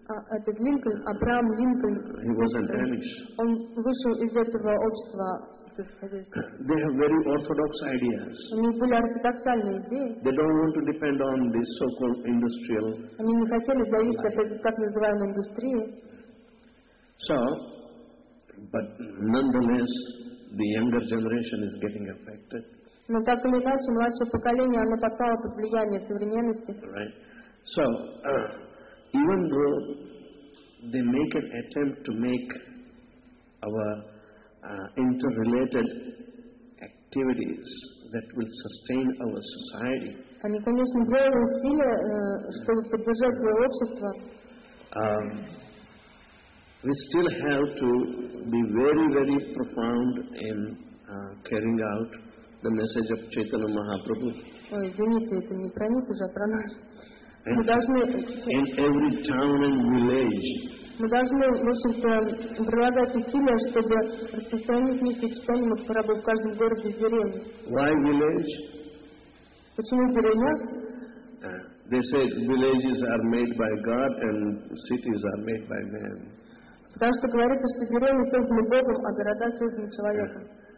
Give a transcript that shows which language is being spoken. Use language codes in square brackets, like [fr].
[ru] Этот Линкольн, Абрахам Линкольн. [en] He was an Amish. [ru] Он вышел из этого общества. [en] They have very orthodox ideas. [ru] У них были ортодоксальные идеи. [en] They don't want to depend on this so-called industrial. [ru] Они не хотели зависеть от этой так называемой индустрии. [en] So, but nonetheless, the younger generation is getting affected. [ru] Но так или иначе, младшее поколение, оно попало под влияние современности. [en] Right. So, even though they make an attempt to make our interrelated activities that will sustain our society. [ru] Они, конечно, делали усилия, чтобы поддержать свое общество. [en] We still have to be very, very profound in carrying out the message of Chaitanya Mahaprabhu. [ru] Ой, извините, это не про них уже, а про нас. [en] And in every town and village. [ru] Мы должны, в общем-то, прилагать усилия, чтобы распространить миссию читания Махапрабху в каждом городе и деревне. [en] Why village? [ru] Почему деревня? [en] They say villages are made by God and cities are made by man. [ru] Потому что говорится, что деревни созданы Богом, а города созданы человеком.